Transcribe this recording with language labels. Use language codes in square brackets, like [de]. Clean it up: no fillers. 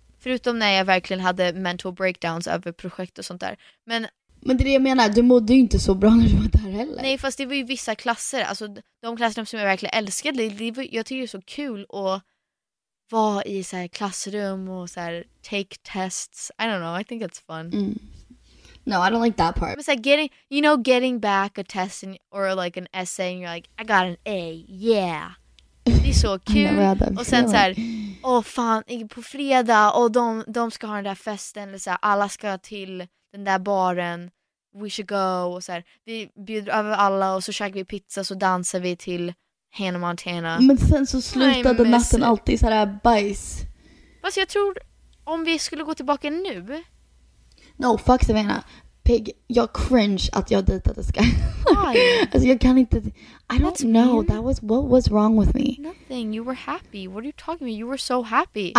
[sv] Förutom när jag verkligen hade [en] mental breakdowns [sv] över projekt och sånt där. Men det är det jag menar, du mådde ju inte så bra när du var där heller. Nej, fast det var ju vissa klasser. Alltså, de klasserna som jag verkligen älskade, jag tycker det är så kul att vara i så här klassrum och så här [en] take tests. I don't know, I think it's fun. Mm. No, I don't like that part. It's like getting, you know, getting back a test and, or like an essay and you're like, I got an A, yeah. [sv] Det är så kul. Och sen så här, åh fan, på fredag, och de ska ha den där festen, eller så här, alla ska till... Den där baren, [en] we should go. [sv] Och så här, vi bjuder över alla och så käkar vi pizza och så dansar vi till Hannah Montana. Men sen så slutade natten alltid så här bajs. Fast jag tror om vi skulle gå tillbaka nu. [en] No, fuck Savannah. [sv] Pig, jag cringe att jag dejtade Sky. [en] Why? [sv] Alltså jag kan inte. [en] I don't That's know. Mean? That was what was wrong with me. Nothing. You were happy. What are you talking about? You were so happy.